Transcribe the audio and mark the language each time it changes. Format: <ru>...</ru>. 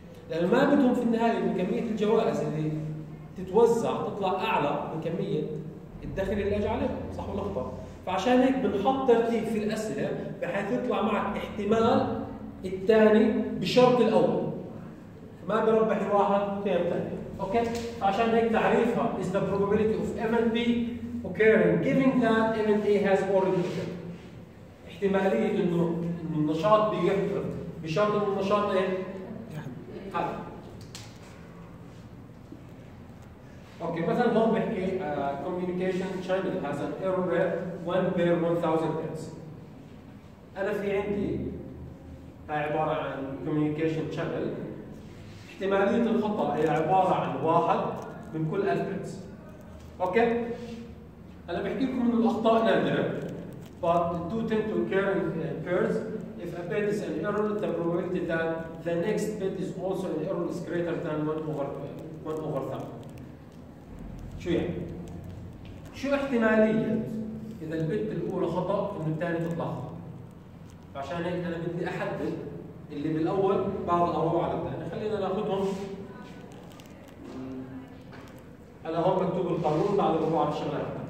<ar>لانه ما بدهم في النهايه من كميه الجوائز اللي تتوزع تطلع اعلى من كميه الدخل اللي اجى عليهم، صح ولا خطا؟ فعشان هيك بنحط ترتيب في الاسئله بحيث يطلع معك احتمال الثاني بشرط الاول، ما بربح الواحد تيم ثاني. اوكي، عشان هيك تعريفها</ar> <en>is the probability of event B occurring given that event A has already occurred.</en> <ar>احتمالية انه النشاط بيحدث بشرط انه النشاط ايه؟ حدث. اوكي، مثلا هون بحكي</ar> <en>communication channel has an error rate 1/1000 bits.</en> <ar>انا في عندي هاي عبارة عن</ar> <en>communication channel،</en> <ar>احتمالية الخطأ هي عبارة عن 1 من كل 1000 bits. اوكي، انا بحكي لكم انه الاخطاء نادرة،</ar> <en>but do tend to occur in pairs. If a bit is an error, the probability that the next bit is also an error is greater than 1/1000.</en> <ar>شو يعني؟ شو احتمالية اذا البت الاولى خطأ انه الثاني تطلع خطأ؟ عشان هيك انا بدي احدد اللي بالاول بعد اروح على الثاني. خلينا ناخذهم، انا هون مكتوب القانون بعد اروح على الشغله.</ar>